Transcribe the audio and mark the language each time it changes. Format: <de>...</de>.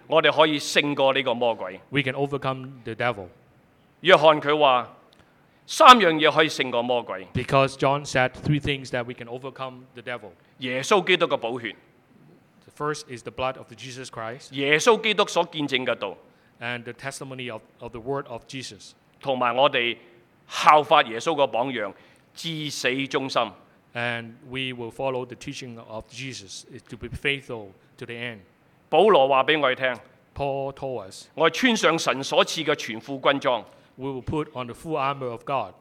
<yue>我哋可以胜过呢个魔鬼。</yue> <en>We can overcome the devil.</en> <yue>约翰佢话三样嘢可以胜过魔鬼。</yue> <en>Because John said three things that we can overcome the devil.</en> <yue>耶稣基督嘅宝血。</yue> <en>The first is the blood of Jesus Christ.</en> <yue>耶稣基督所见证嘅道。</yue> <en>And the testimony of the word of Jesus.</en> <yue>同埋我哋效法耶稣个榜样，至死忠心。</yue> <en>And we will follow the teaching of Jesus to be faithful to the end.</en> <yue>保罗话俾我哋听。</yue> <en>Paul told us.</en> <yue>我穿上神所赐嘅全副军装。</yue> <en>We will put on the full armor of God.</en>